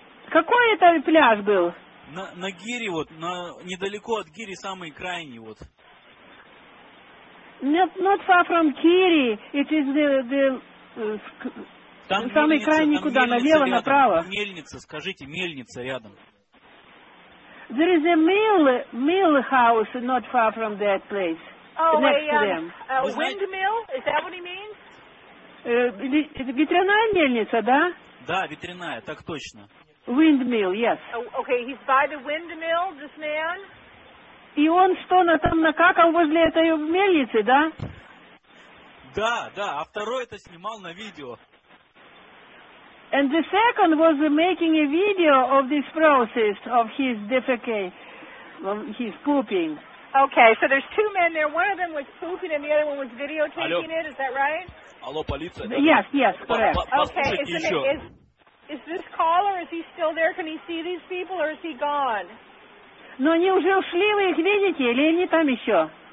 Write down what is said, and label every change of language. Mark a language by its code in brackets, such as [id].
[ru] Какой это пляж был? На Гири вот, на недалеко от Гири самый крайний вот. [en] Not far from Kiri. It is the [ru] там самый мельница, крайний там куда? Налево, рядом, направо? Мельница, скажите, мельница рядом. [en] There is a mill house not far from that place. Oh, next to them. Windmill? Is that what he means? [ru] Ветряная мельница, да? Да, ветряная, так точно. [en] Windmill, yes. Okay, he's by the windmill, this man? [ru] И он что, там накакал возле этой мельницы, да? Да, да, а второй это снимал на видео. [en] And the second was making a video of this process of his defecating, of his pooping. Okay, so there's two men there. One of them was pooping and the other one was videotaping. [ru] Алло. [en] It, is that right? [ru] Алло, полиция. [en] Yes, yes, correct. Okay, is this caller, is he still there? Can he see these people or is he gone? [ru] Но они уже ушли, вы их видите, или они там еще?